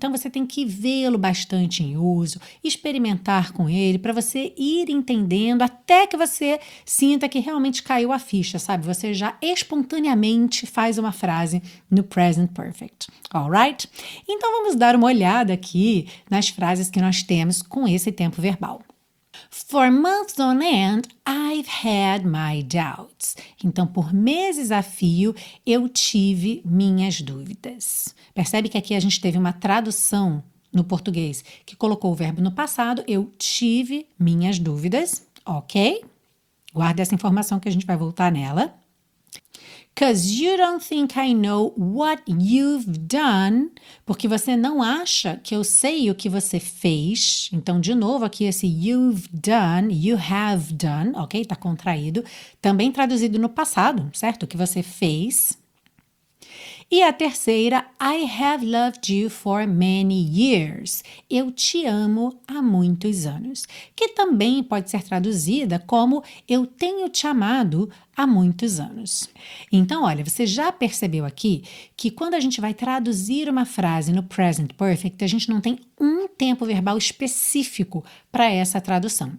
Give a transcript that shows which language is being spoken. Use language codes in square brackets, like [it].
[pt] Então, você tem que vê-lo bastante em uso, experimentar com ele, para você ir entendendo até que você sinta que realmente caiu a ficha, sabe? Você já espontaneamente faz uma frase no Present Perfect, alright? Então, vamos dar uma olhada aqui nas frases que nós temos com esse tempo verbal. [en] For months on end, I've had my doubts. [pt] Então, por meses a fio, eu tive minhas dúvidas. Percebe que aqui a gente teve uma tradução no português que colocou o verbo no passado, eu tive minhas dúvidas, ok? Guarde essa informação que a gente vai voltar nela. [en] 'Cause you don't think I know what you've done. [pt] Porque você não acha que eu sei o que você fez. Então, de novo, aqui esse [en] you've done, you have done, [pt] ok? Tá contraído. Também traduzido no passado, certo? O que você fez. E a terceira, [en] I have loved you for many years. [pt] Eu te amo há muitos anos. Que também pode ser traduzida como eu tenho te amado há muitos anos. Então, olha, você já percebeu aqui que quando a gente vai traduzir uma frase no present perfect, a gente não tem um tempo verbal específico para essa tradução.